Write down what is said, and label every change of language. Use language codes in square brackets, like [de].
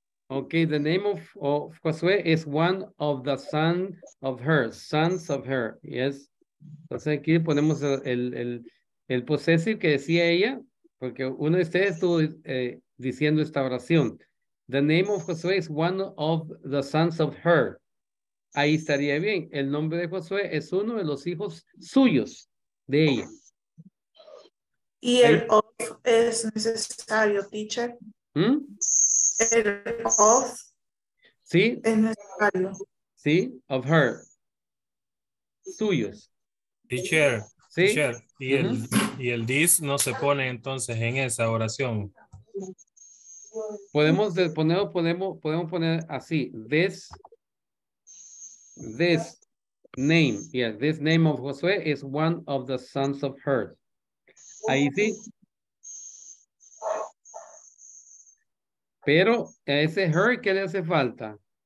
[en] Okay, the name of Josué is one of the son of her, sons of her, yes. [es] Entonces aquí ponemos el possessive que decía ella, porque uno de ustedes estuvo diciendo esta oración. [en] The name of Josué is one of the sons of her. [es] Ahí estaría bien. El nombre de Josué es uno de los hijos suyos de ella. Y el of es necesario, teacher. ¿Mm? El of, ¿sí? Es necesario. Sí, of her. Suyos. [en] Teacher. [es] ¿Sí? Teacher. ¿Y, uh-huh. el this no se pone entonces en esa oración? Podemos poner así. This name. [en] Yeah, this name of Josué is one of the sons of her. [es] Ahí sí. Pero a ese her, ¿qué le hace falta?